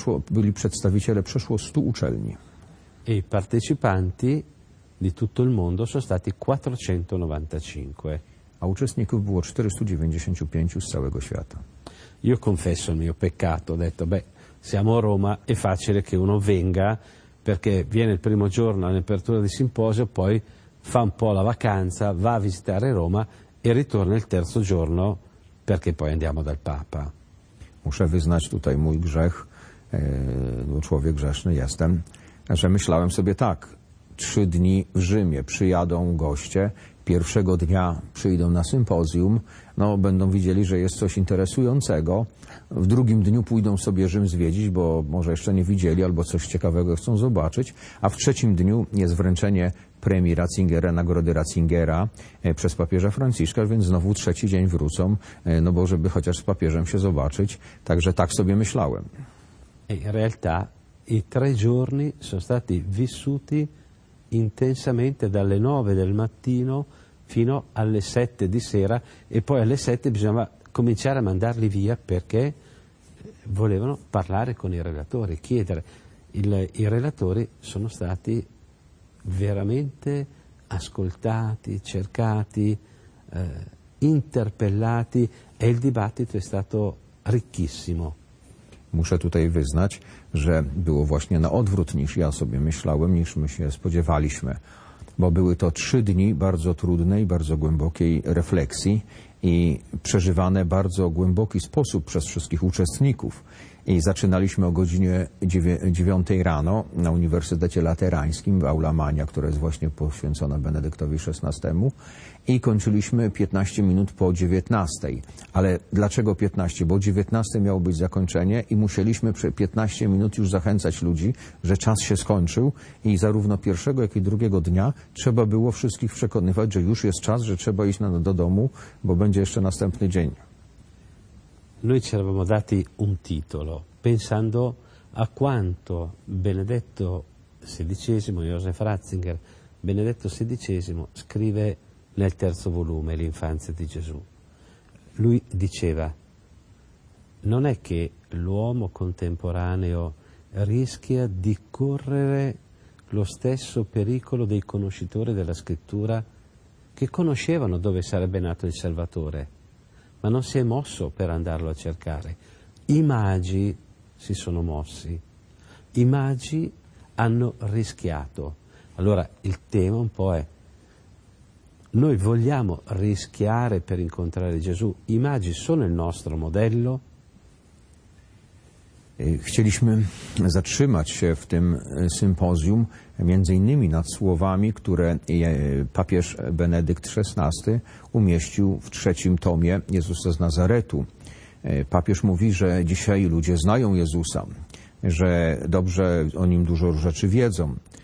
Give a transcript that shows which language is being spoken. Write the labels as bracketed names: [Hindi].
[Polish] Byli przedstawiciele przeszło 100 uczelni. [Italian] I partecipanti di tutto il mondo sono stati 495. [Polish] A uczestników było 495 z całego świata. [Italian] Io confesso il mio peccato, ho detto, siamo a Roma, è facile che uno venga, perché viene il primo giorno all'apertura del simposio, poi fa un po' la vacanza, va a visitare Roma e ritorna il terzo giorno, perché poi andiamo dal Papa. [Polish] Muszę wyznać tutaj mój grzech, człowiek grzeszny jestem, że myślałem sobie tak, 3 dni w Rzymie przyjadą goście, pierwszego dnia przyjdą na sympozjum, będą widzieli, że jest coś interesującego. W drugim dniu pójdą sobie Rzym zwiedzić, bo może jeszcze nie widzieli, albo coś ciekawego chcą zobaczyć. A w trzecim dniu jest wręczenie premii Ratzingera, nagrody Ratzingera przez papieża Franciszka, więc znowu trzeci dzień wrócą, bo żeby chociaż z papieżem się zobaczyć. Także tak sobie myślałem. [Italian] In realtà i 3 giorni sono stati vissuti intensamente dalle 9 del mattino fino alle 7 di sera, e poi alle 7 bisognava cominciare a mandarli via perché volevano parlare con i relatori, chiedere. I relatori sono stati veramente ascoltati, cercati, interpellati, e il dibattito è stato ricchissimo. [Polish] Muszę tutaj wyznać, że było właśnie na odwrót niż ja sobie myślałem, niż my się spodziewaliśmy. Bo były to 3 dni bardzo trudnej, bardzo głębokiej refleksji i przeżywane bardzo głęboki sposób przez wszystkich uczestników. i zaczynaliśmy o godzinie 9 rano na Uniwersytecie Laterańskim w Aula Magna, która jest właśnie poświęcona Benedyktowi XVI. I kończyliśmy 15 minut po 19. Ale dlaczego 15? Bo 19 miało być zakończenie i musieliśmy przez 15 minut już zachęcać ludzi, że czas się skończył i zarówno pierwszego, jak i drugiego dnia trzeba było wszystkich przekonywać, że już jest czas, że trzeba iść do domu, bo będzie jeszcze następny dzień. [Italian] Noi ci eravamo dati un titolo, pensando a quanto Benedetto XVI, Joseph Ratzinger, Benedetto XVI scrive nel terzo volume, L'infanzia di Gesù. Lui diceva, non è che l'uomo contemporaneo rischia di correre lo stesso pericolo dei conoscitori della scrittura che conoscevano dove sarebbe nato il Salvatore, ma non si è mosso per andarlo a cercare. I magi si sono mossi, i magi hanno rischiato. Allora il tema un po' è, noi vogliamo rischiare per incontrare Gesù? I magi sono il nostro modello? [Polish] Chcieliśmy zatrzymać się w tym sympozjum między innymi nad słowami, które papież Benedykt XVI umieścił w trzecim tomie Jezusa z Nazaretu. Papież mówi, że dzisiaj ludzie znają Jezusa, że dobrze o nim dużo rzeczy wiedzą.